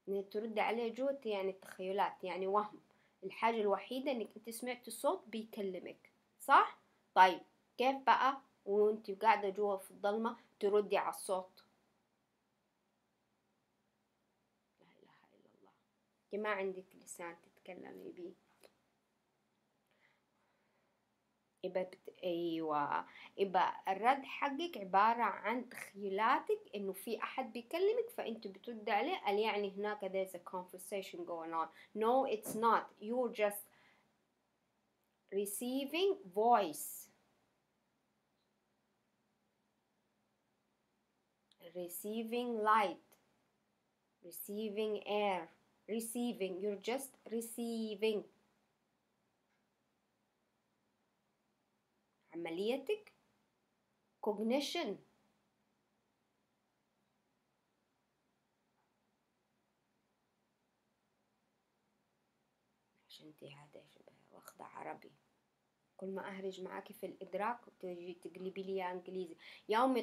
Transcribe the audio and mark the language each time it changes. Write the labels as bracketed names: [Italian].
[Arabic] تردي عليه جوتي يعني التخيلات، يعني وهم. الحاجة الوحيدة انك انت سمعت الصوت بيكلمك صح؟ طيب كيف بقى وانت قاعدة جوا في الظلمة تردي على الصوت؟ لا اله الا الله، انت ما عندك لسان تتكلمي بيه. ايوه الرد حقك عبارة عن تخيلاتك انه في احد بيكلمك فانت بترد عليه، قال يعني هناك [English] there's a conversation going on. No it's not, you're just receiving voice. Receiving light, receiving air, receiving, you're just receiving. [Arabic] عمليتك cognition. عشان انت هذا شبه واخدة عربي، كل ما اهرج معاكي في الادراك وتجي تقلبي لي انجليزي يا امي.